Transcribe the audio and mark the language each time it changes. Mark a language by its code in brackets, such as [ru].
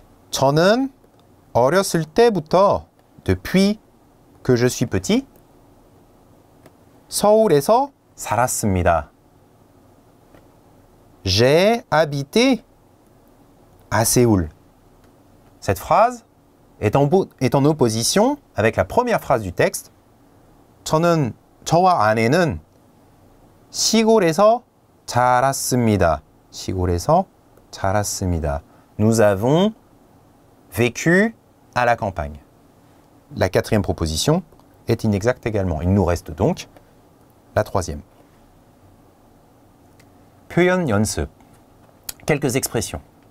[ko] 저는 어렸을 때부터, [fr] depuis que je suis petit, [ko] 서울에서 살았습니다. [fr] J'ai habité à Séoul. Cette phrase est en opposition avec la première phrase du texte. [ko] 저는 저와 아내는 시골에서 자랐습니다. 시골에서 자랐습니다. [fr] Nous avons vécu à la campagne. La quatrième proposition est inexacte également. Il nous reste donc la troisième. [ko] 표현 연습. [fr] Quelques expressions.